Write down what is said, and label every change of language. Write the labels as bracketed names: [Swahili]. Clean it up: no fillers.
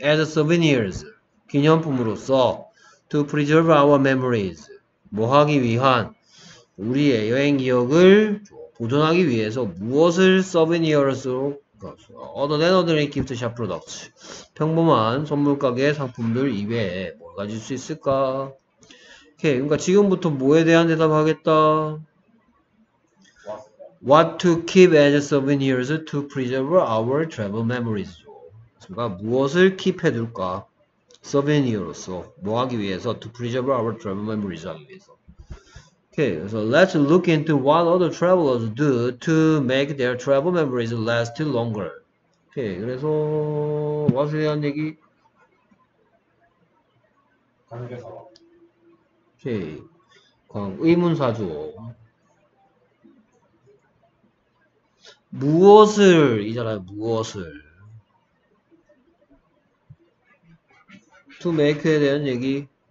[English] as souvenirs, [Korean] 기념품으로서 [English] to preserve our memories, [Korean] 뭐 하기 위한 우리의 여행 기억을 보존하기 위해서 무엇을 souvenirs로 얻어낸 [English] ordinary gift shop products, [Korean] 평범한 선물 가게 상품들 이외에 뭘 가질 수 있을까? 오케이. 그러니까 지금부터 뭐에 대한 대답 하겠다. [English] What to keep as souvenirs to preserve our travel memories. [Korean] 그러니까 무엇을 keep 해둘까? souvenir로서 뭐 하기 위해서? [English] To preserve our travel memories [Korean] 하기 위해서. 오케이. [English] So let's look into what other travelers do to make their travel memories last longer. 오케이. [Korean] 그래서 무엇에 대한 얘기? 오케이. 광 의문사죠. 무엇을 이잖아요. 무엇을 [English] to make [Korean] 에 대한 얘기.